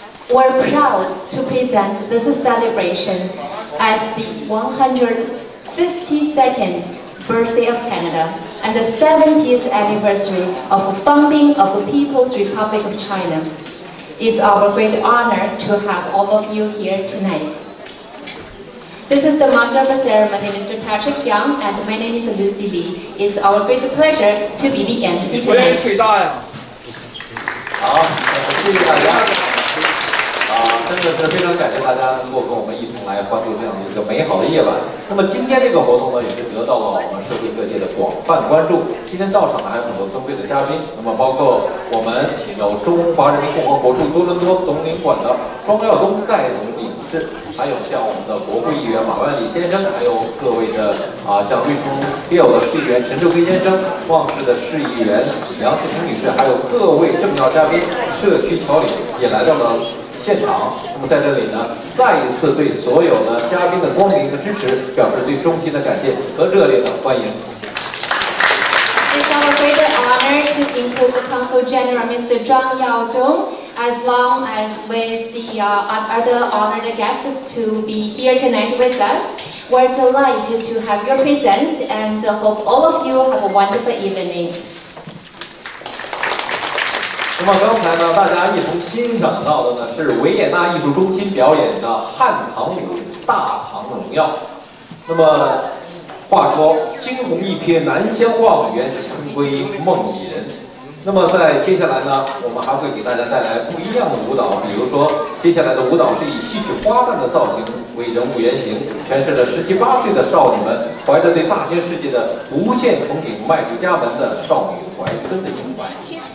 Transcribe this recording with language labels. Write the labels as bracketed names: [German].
[English] We're proud to present this celebration as the 152nd birthday of Canada and the 70th anniversary of the founding of the People's Republic of China. It's our great honor to have all of you here tonight. This is the Master of Ceremony, Mr. Patrick Young, and my name is Lucy Lee. It's our great pleasure to be the MC tonight. [Chinese] 好，谢谢大家。真的是非常感谢大家能够跟我们一同来欢度这样的一个美好的夜晚。那么今天这个活动呢，也是得到了我们社会各界的广泛关注。今天到场的还有很多尊贵的嘉宾，那么包括我们有中华人民共和国驻多伦多总领馆的庄耀东戴总理先生，还有像我们的国会议员马万里先生，还有各位的像绿城Bill的市议员陈秀飞先生，旺志的市议员梁世平女士，还有各位政要嘉宾、社区侨领也来到了现场。那么在这里呢，再一次对所有的嘉宾的光临和支持表示最衷心的感谢和热烈的欢迎。 [English] It's our great honor to include the Consul General Mr. Zhang Yaodong as long as with the other honored guests to be here tonight with us. We're delighted to have your presence and hope all of you have a wonderful evening. [Chinese] 那么刚才呢，大家一同欣赏到的呢是维也纳艺术中心表演的汉唐舞《大唐的荣耀》。那么话说惊鸿一瞥难相忘，原是春闺梦已人。那么在接下来呢，我们还会给大家带来不一样的舞蹈，比如说接下来的舞蹈是以戏曲花旦的造型为人物原型，诠释了17、18岁的少女们怀着对大千世界的无限憧憬，迈出家门的少女怀春的情怀。